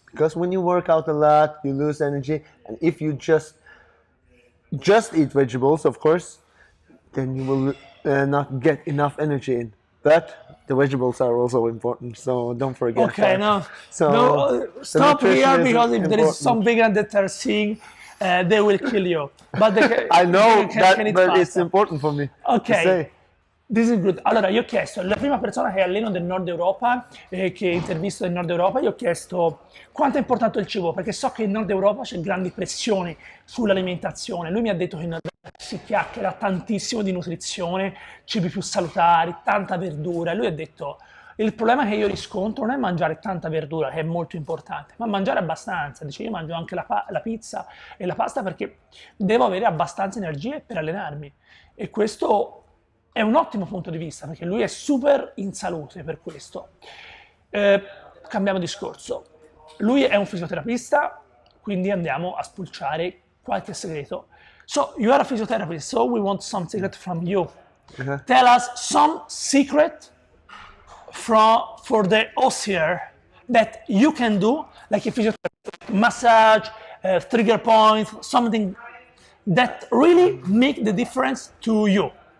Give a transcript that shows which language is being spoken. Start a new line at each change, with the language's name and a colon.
English: Because when you work out a lot, you lose energy. And if you just eat vegetables, of course, then you will not get enough energy in. But the vegetables are also important, so don't forget. Okay, that. Stop here, because if important. There is some vegan that are seeing, they will kill you. But it's important for me. Okay, to say. This is good.
Italian: Allora, io ho chiesto la prima persona che alleno del Nord Europa, che ho intervistato del Nord Europa, gli ho chiesto quanto è importante il cibo, perché so che in Nord Europa c'è grandi pressioni sull'alimentazione. Lui mi ha detto che in si chiacchiera tantissimo di nutrizione, cibi più salutari, tanta verdura. Lui ha detto, il problema che io riscontro non è mangiare tanta verdura, che è molto importante, ma mangiare abbastanza. Dice, io mangio anche la pizza e la pasta perché devo avere abbastanza energie per allenarmi. E questo è un ottimo punto di vista, perché lui è super in salute per questo. Cambiamo discorso. Lui è un fisioterapista, quindi andiamo a spulciare qualche segreto.
English: So, you are a physiotherapist, so we want some secret from you. Uh-huh. Tell us some secret for the OCR that you can do, like a physiotherapist, massage, trigger point, something that really make the difference to you.